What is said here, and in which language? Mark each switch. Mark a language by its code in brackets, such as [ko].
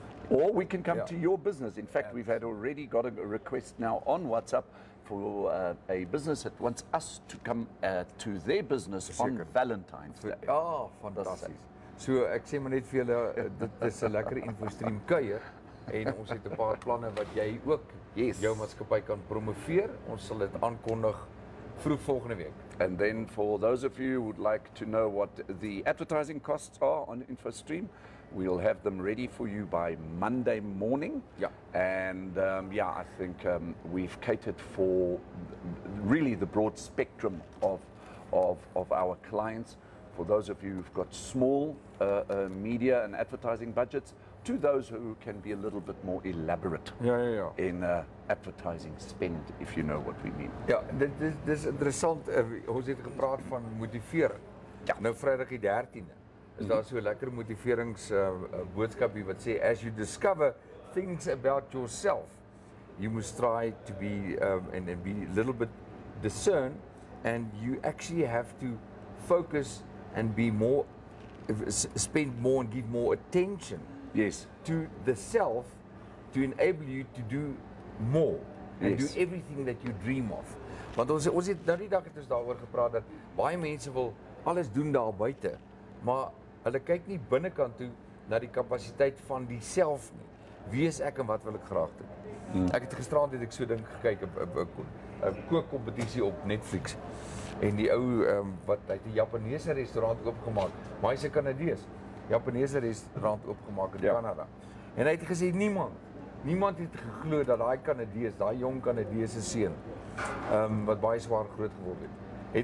[en] Or we can come to your business. In fact, we've had already got a request now on WhatsApp for a business that wants us to come to their business on Valentine's Day. [af] Ah, oh, fantasties. So ek sê maar net vir julle, dit is 'n lekker InfoStream kuier en ons het 'n paar planne wat jy ook jou maatskappy kan promoveer. Ons sal dit aankondig vroeg volgende week. [en] And then for those of you who would like to know what the advertising costs are on InfoStream, we'll have them ready for you by Monday morning. Yeah. And yeah, I think we've catered for really the broad spectrum of our clients. For those of you who've got small media and advertising budgets, to those who can be a little bit more elaborate in advertising spend, if you know what we mean. [af] Yeah, this interessant. Ons het gepraat van motivering. Ja. Nou Vrydag die 13de. Is daar so 'n lekker motiverings boodskap hier wat sê [en] as you discover things about yourself you must try to be and be a little bit discern and you actually have to focus and be more spend more and give more attention to the self to enable you to do more and do everything that you dream of. [af] Want ons het nou die dag het ons daaroor gepraat dat baie mense wil alles doen daar buite maar hulle kyk nie binnekant toe na die kapasiteit van die self nie. Wie is ek en wat wil ek graag doen? Ek het gisteraand het ek so ding gekyk op 'n kookkompetisie op Netflix. En die ou wat hy 'n Japaneese restaurant oopgemaak, maar hy's 'n Kanadees. Japaneese restaurant oopgemaak in Kanada. En hy het gesê niemand het geglo dat daai Kanadees, daai jong Kanadese seun wat baie swaar groot geword het.